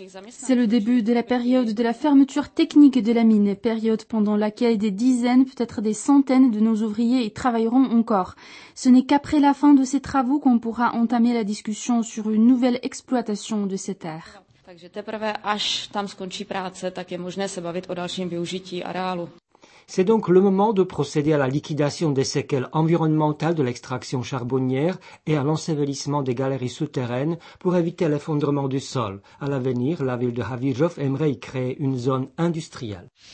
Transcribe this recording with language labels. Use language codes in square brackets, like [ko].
[fr] C'est le début de la période de la fermeture technique de la mine, période pendant laquelle des dizaines, peut-être des centaines de nos ouvriers y travailleront encore. Ce n'est qu'après la fin de ces travaux qu'on pourra entamer la discussion sur une nouvelle exploitation de ces terres. [cs] Takže teprve až tam skončí práce, tak je možné se bavit o dalším využití areálu. [fr] C'est donc le moment de procéder à la liquidation des séquelles environnementales de l'extraction charbonnière et à l'ensevelissement des galeries souterraines pour éviter l'effondrement du sol. À l'avenir, la ville de Havířov aimerait y créer une zone industrielle.